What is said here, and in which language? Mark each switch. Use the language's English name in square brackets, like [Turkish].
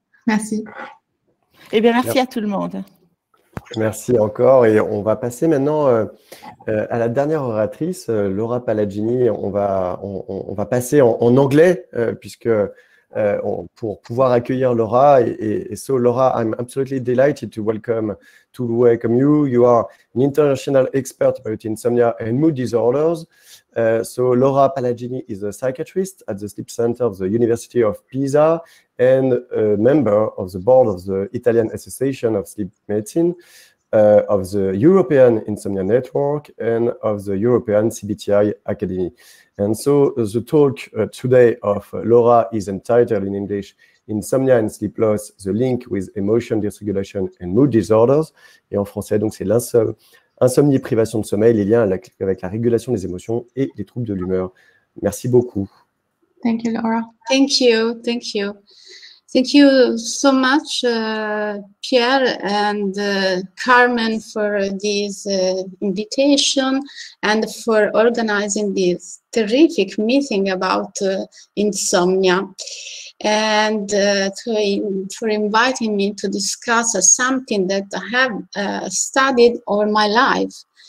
[French] Merci. Eh bien, merci à tout le monde. Merci encore. Et on va passer maintenant à la dernière oratrice, Laura Palagini. On va passer en anglais, puisque pour pouvoir accueillir Laura. [English] So, Laura, I'm absolutely delighted to welcome to welcome you. You are an international expert about insomnia and mood disorders. So Laura Palagini is a psychiatrist at the Sleep Center of the University of Pisa and a member of the board of the Italian Association of Sleep Medicine. of the European Insomnia Network and of the European CBTI Academy. And so the talk today of Laura is entitled in English, Insomnia and Sleep Loss, the link with emotion dysregulation and mood disorders. [French] Et en français, donc c'est insomnie, privation de sommeil, les liens avec la régulation des émotions et les troubles de l'humeur. Merci beaucoup. [English] Thank you, Laura. Thank you, thank you. Thank you so much, Pierre and Carmen, for this invitation and for organizing this terrific meeting about insomnia, and for inviting me to discuss something that I have studied all my life.